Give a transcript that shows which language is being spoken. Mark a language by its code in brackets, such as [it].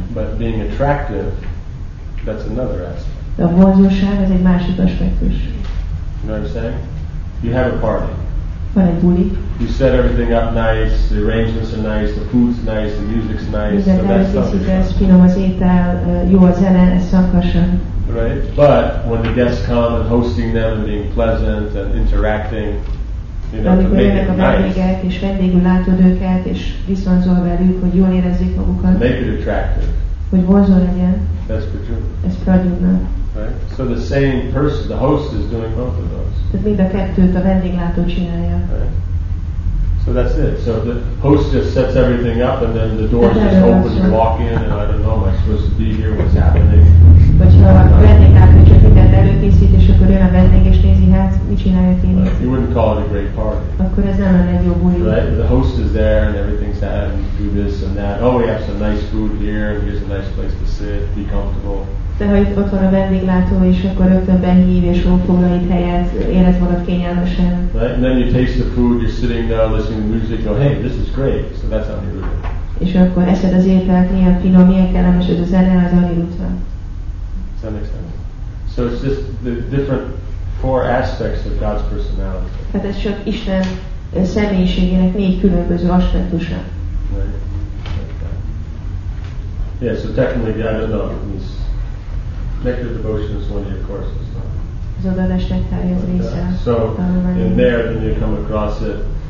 [en] But being attractive, that's another aspect. [hu] De a vonzóság, ez egy másik aspektus. [en] You know what I'm saying? You have a party. [hu] Van egy buli. [en] You set everything up nice, the arrangements are nice, the food's nice, the music's nice. [hu] Finom az étel, jó a zene, ez szakasan. [en] Right? But when the guests come and hosting them and being pleasant and interacting, you know, to make it nice. [hu] És látod őket, és velük, hogy jól érezzék magukat. [en] Make it attractive. [hu] Hogy vonzó legyen. [en] That's for true. [hu] Ez prajuna. [en] Right? So the same person, the host, is doing both of those. [hu] Tehát mind a kettőt a vendéglátó csinálja. [en] Right? So that's it. So the host just sets everything up and then the door just opens and walk in and I don't know, am I supposed to be here? What's happening? [hu] Hogyha a vendéglátó csak mindent előkészít, és akkor jön a vendég és nézi, hát mit csináljak én? [en] Right? You wouldn't call it a great party. [hu] Akkor ez nem lenne egy jó buli. [en] Right? The host is there and everything's there and do this and that. Oh, we have some nice food here and here's a nice place to sit, be comfortable. [hu] De ha itt ott van a vendéglátó, és akkor rögtön behív, és ófoglal itt helyet, érez magad kényelmesen. [en] Right? And then you taste the food, you're sitting there listening to the music, go, hey, this is great. So that's Aniruddha. [hu] És akkor eszed az ételt, milyen finom, milyen kellemes, ez a zene, az Aniruddha. [en] Does that make sense? So it's just the different four aspects of God's personality. [hu] Hát ez csak Isten személyiségének négy különböző aspektusa. [en] Right. Okay. Yeah, so technically, I don't know, it's Nectar Devotion is one of your courses, huh? So, in there, then you come across it.